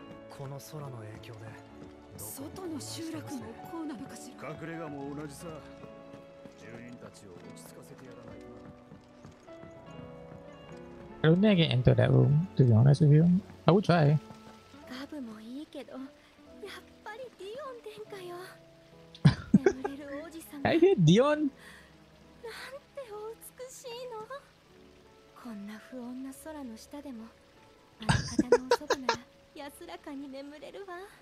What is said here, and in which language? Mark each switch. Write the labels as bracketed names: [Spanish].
[Japanese] この空の影響で外の集落もこうなのかしら。隠れ家も同じさ。住人たちを落ち着かせてやらないと。 [English] I'll never enter that room, to be honest with you. I would try. [Japanese] ガブもいいけど、やっぱりディオン殿下よ。眠れる王子様。 [English] I hear Dion. [Japanese] なんてお美しいの。こんな不穏な空の下でも、あの方のお祖母なら安らかに眠れるわ。